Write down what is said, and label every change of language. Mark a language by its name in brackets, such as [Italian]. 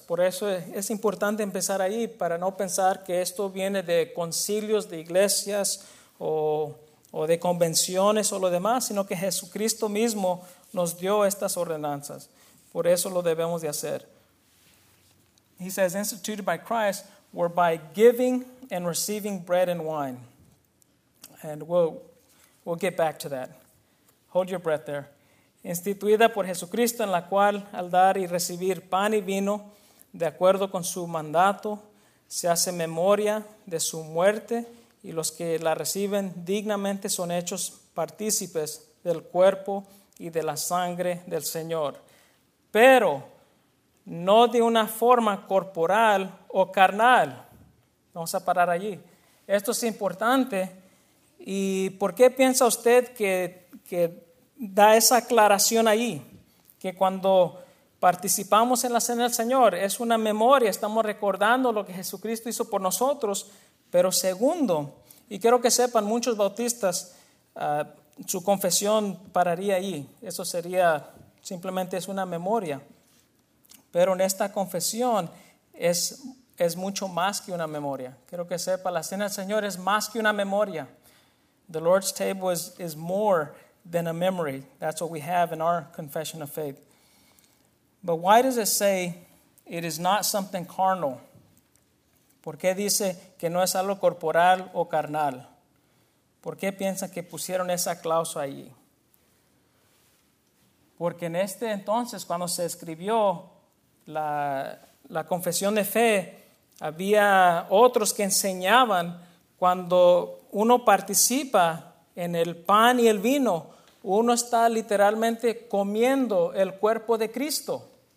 [Spanish] Por eso es importante empezar ahí, para no pensar que esto viene de concilios de iglesias o de convenciones o lo demás, sino que Jesucristo mismo nos dio estas ordenanzas. Por eso lo debemos de hacer. [English] He says, instituted by Christ were by giving and receiving bread and wine. And we'll get back to that. Hold your breath there. [Spanish] Instituida por Jesucristo, en la cual al dar y recibir pan y vino, de acuerdo con su mandato, se hace memoria de su muerte, y los que la reciben dignamente son hechos partícipes del cuerpo y de la sangre del Señor. Pero no de una forma corporal o carnal. Vamos a parar allí. Esto es importante. ¿Y por qué piensa usted que da esa aclaración ahí? Que cuando participamos en la cena del Señor, es una memoria, estamos recordando lo que Jesucristo hizo por nosotros. Pero segundo, y quiero que sepan, muchos bautistas, su confesión pararía ahí. Eso sería, simplemente es una memoria. Pero en esta confesión es mucho más que una memoria. Quiero que sepa, la cena del Señor es más que una memoria. [English] The Lord's table is more than a memory. That's what we have in our confession of faith. But why does it say it is not something carnal? [Spanish] ¿Por qué dice que no es algo corporal o carnal? ¿Por qué piensan que pusieron esa cláusula allí? Porque en este entonces, cuando se escribió la confesión de fe, había otros que enseñaban cuando uno participa en el pan y el vino, uno está literalmente comiendo el cuerpo de Cristo.